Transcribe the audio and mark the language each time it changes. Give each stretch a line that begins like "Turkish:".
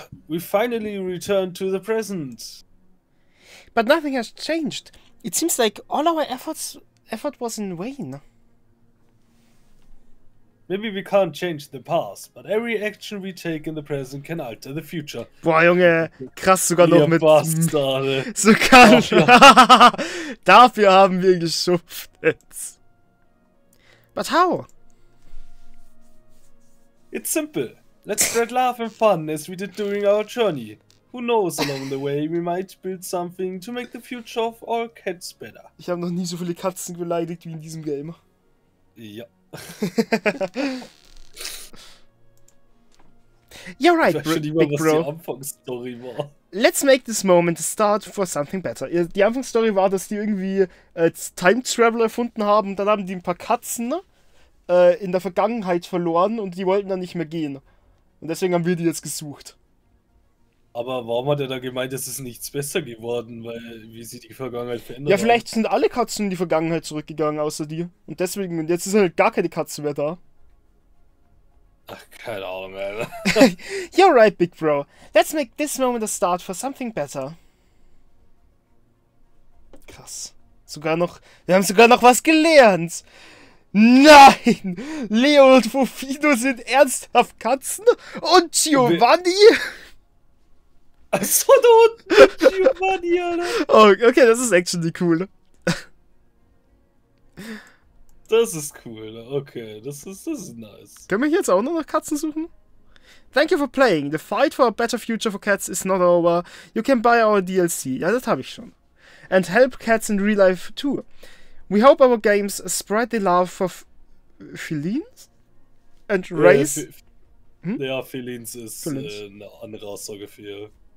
English: We finally return to the present. But nothing has changed. It seems like all our effort was in vain. Maybe we can't change the past, but every action we take in the present can alter the future.
German: Boah, Junge, krass, sogar ihr noch mit... Bastarde. Sogar... Dafür haben wir geschupft jetzt.
English: But how? It's simple. Let's spread love and fun as we did during our journey. Who knows, along the way we might build something to make the future of all cats better.
German: Ich habe noch nie so viele Katzen beleidigt wie in diesem Game. Ja.
English: You're right, Big Bro.
German: Die Anfangsstory war.
English: Let's make this moment a start for something better.
German: Die Anfangsstory war, dass die irgendwie Time Travel erfunden haben. Dann haben die ein paar Katzen in der Vergangenheit verloren und die wollten dann nicht mehr gehen. Und deswegen haben wir die jetzt gesucht. Aber warum hat er da gemeint, es ist nichts besser geworden, weil wie sie die Vergangenheit verändert haben? Ja, vielleicht sind alle Katzen in die Vergangenheit zurückgegangen, außer dir. Und deswegen, und jetzt ist halt gar keine Katze mehr da. Ach, keine Ahnung, Alter.
English: You're right, Big Bro. Let's make this moment a start for something better.
German: Krass. Sogar noch, wir haben sogar noch was gelernt. Nein! Leo und Fofino sind ernsthaft Katzen? Und Giovanni? Achso, du Hund! Giovanni, Alter! Oh, okay, das ist actually cool. Das ist cool, okay, das ist nice. Können wir hier jetzt auch noch nach Katzen suchen?
English: Thank you for playing. The fight for a better future for cats is not over. You can buy our DLC.
German: Ja, das habe ich schon.
English: And help cats in real life too. We hope our games spread the love for felines and raise...
German: Ja, felines ist eine andere Aussage für...